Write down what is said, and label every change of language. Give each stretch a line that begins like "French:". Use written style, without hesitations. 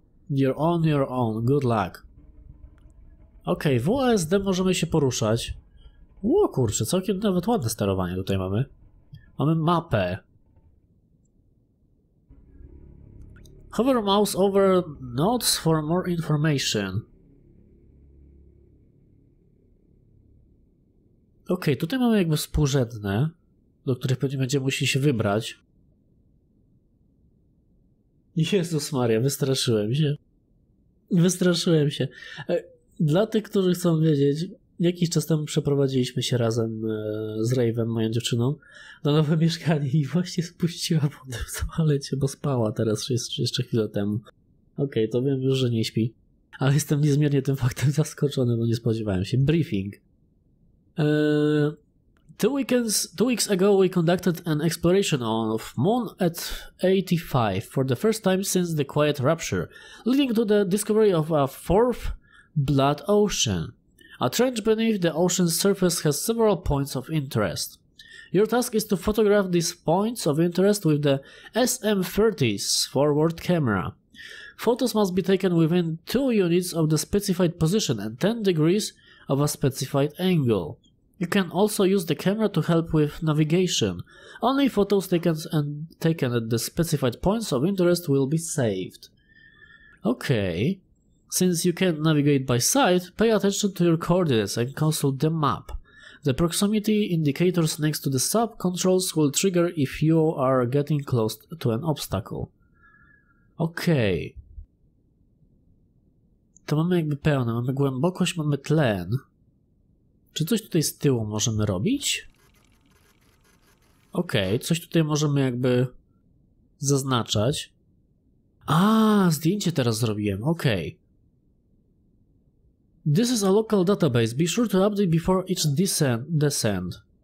English: You're on your own. Good luck.
Polish: Okej,
English: okay, WASD
Polish: możemy się poruszać. Ło kurczę, całkiem nawet ładne sterowanie tutaj mamy. Mamy mapę.
English: Hover mouse over notes for more information.
Polish: Okej, okay, tutaj mamy jakby współrzędne, do których pewnie będziemy musieli się wybrać. Jezus Maria, wystraszyłem się. Wystraszyłem się. Dla tych, którzy chcą wiedzieć, jakiś czas temu przeprowadziliśmy się razem z Raven, moją dziewczyną, na nowe mieszkanie i właśnie spuściła wodę w toalecie, bo spała teraz jeszcze chwilę temu. Okej, to wiem już, że nie śpi. Ale jestem niezmiernie tym faktem zaskoczony, bo nie spodziewałem się.
English: Briefing. Two weeks ago, we conducted an exploration of Moon at 85 for the first time since the Quiet Rapture, leading to the discovery of a fourth blood ocean. A trench beneath the ocean's surface has several points of interest. Your task is to photograph these points of interest with the SM-30's forward camera. Photos must be taken within 2 units of the specified position and 10 degrees of a specified angle. You can also use the camera to help with navigation. Only photos taken at the specified points of interest will be saved. Okay. Since you can't navigate by sight, pay attention to your coordinates and consult the map. The proximity indicators next to the sub controls will trigger if you are getting close to an obstacle. Okej. Okay.
Polish: To mamy jakby pełne, mamy głębokość, mamy tlen. Czy coś tutaj z tyłu możemy robić? Okej, okay, coś tutaj możemy jakby zaznaczać. A, zdjęcie teraz zrobiłem, okej. Okay.
English: This is a local database. Be sure to update before each descent.